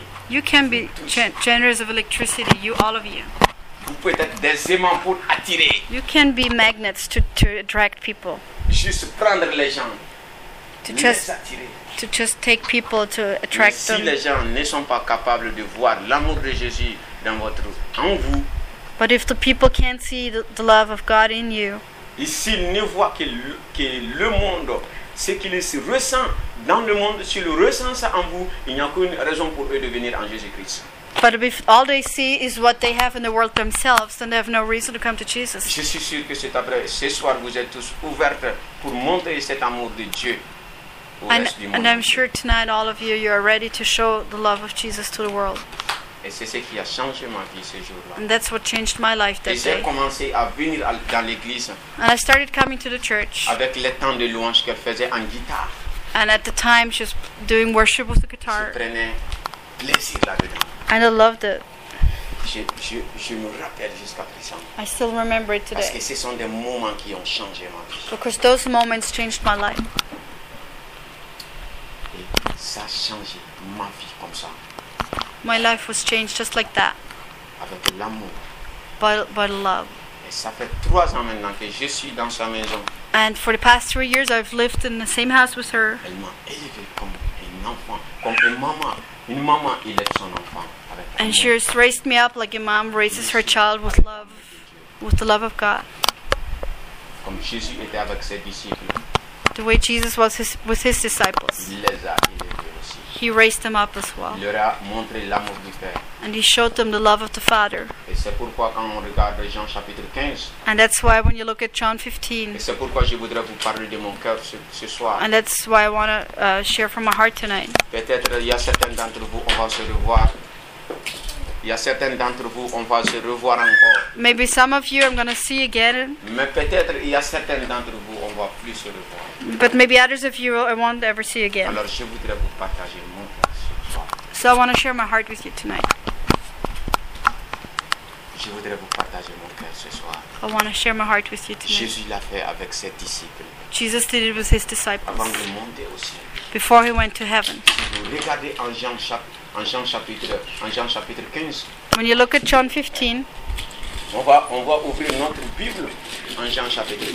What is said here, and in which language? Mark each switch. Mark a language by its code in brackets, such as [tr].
[en] You can be generators of electricity, you all of you. [fr] Vous pouvez être des aimants pour attirer. [en] You can be magnets to attract people. [fr] Juste prendre les gens. [en] To just take people to attract [fr] si [en] them. [fr] Si les gens ne sont pas capables de voir l'amour de Jésus dans votre en vous. [en] But if the people can't see the love of God in you. [fr] Et s'ils ne voient que le monde, ce qu'il se ressent dans le monde, s'ils le ressent ça en vous, il n'y a aucune raison pour eux de venir en Jésus-Christ. [en] But if all they see is what they have in the world themselves, then they have no reason to come to Jesus. [fr] Je suis sûr que c'est après ce soir vous êtes tous ouvertes pour montrer cet amour de Dieu au reste du monde. [en] And I'm sure tonight all of you are ready to show the love of Jesus to the world. [fr] Et c'est ce qui a changé ma vie ce jour-là. [en] And that's what changed my life that day. [fr] J'ai commencé à venir dans l'église. [en] And I started coming to the church. [fr] Avec les temps de louange qu'elle faisait en guitare. [en] And at the time she was doing worship with the guitar. [fr] Je prenais plaisir là-dedans. [en] And I loved it. [fr] Je me rappelle jusqu'à présent. [en] I still remember it today. [fr] Parce que ce sont des moments qui ont changé ma vie. [en] Because those moments changed my life. [fr] Et ça a changé ma vie comme ça. [en] My life was changed just like that. [fr] Avec l'amour. [en] By love. [fr] Et ça fait 3 ans maintenant que je suis dans sa maison. [en] And for the past 3 years, I've lived in the same house with her. [fr] Elle m'a élevé comme un enfant, comme une maman. Une maman, il est son enfant avec [en] and amour. She has raised me up like a mom raises her child with love, with the love of God. [fr] Comme Jésus était avec ses disciples. [en] The way Jesus was with his disciples. [fr] Il les a élevés aussi. [en] He raised them up as well. [fr] Il leur a montré l'amour du Père. [en] And he showed them the love of the Father. [fr] Et c'est pourquoi quand on regarde Jean chapitre 15. [en] And that's why when you look at John 15. [fr] Et c'est pourquoi je voudrais vous parler de mon cœur ce soir. [en] And that's why I want to share from my heart tonight. [fr] Peut-être il y a certains d'entre vous, on va se revoir. Il y a certains d'entre vous, on va se revoir encore. [en] Maybe some of you I'm going to see again. [fr] Mais peut-être il y a certains d'entre vous, on va plus se revoir. [en] But maybe others of you I won't ever see again. [fr] Alors je voudrais vous partager mon cœur ce soir. [en] So I want to share my heart with you tonight. [fr] Je voudrais vous partager mon cœur ce soir. [en] I want to share my heart with you tonight. [fr] Jésus l'a fait avec ses disciples. [en] Jesus did it with his disciples. [fr] Avant de monter au ciel. [en] Before he went to heaven. [fr] Regardez en Jean chapitre 15. [en] When you look at John 15. [fr] On va ouvrir notre Bible en Jean chapitre 15.